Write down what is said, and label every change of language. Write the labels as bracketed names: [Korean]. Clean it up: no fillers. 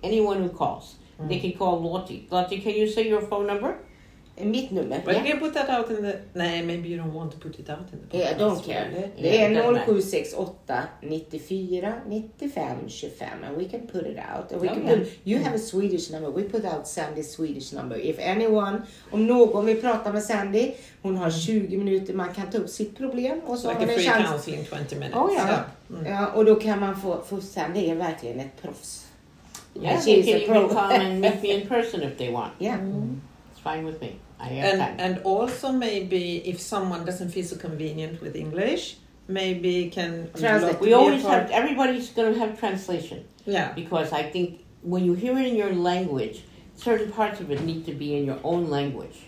[English] Anyone who calls, they can call Lottie. Lottie, can you say your phone number? [Swedish] Mitt nummer. [English] But you can put that out in the... Nej, maybe you don't want to put it out in the podcast. Yeah, I don't care. [Swedish] Det är 0768-94-95-25. [English] And we can put it out. And we can put, you have a Swedish number. We put out Sandy's Swedish number. If anyone... [Swedish] Om någon vill prata med Sandy, hon har 20 minuter. Man kan ta upp sitt problem. Och så [English] like [Swedish] har [English] a free [Swedish] chans. [English] Counseling 20 minutes. Oh, yeah. Yeah. [Swedish] Yeah, och då kan man få Sandy är verkligen ett proffs. [English] Yeah, they can even come and meet me in person if they want. Yeah. Mm. Fine with me. I And also maybe if someone doesn't feel so convenient with English, maybe can translate. We always have everybody's going to have translation. Yeah. Because I think when you hear it in your language, certain parts of it need to be in your own language.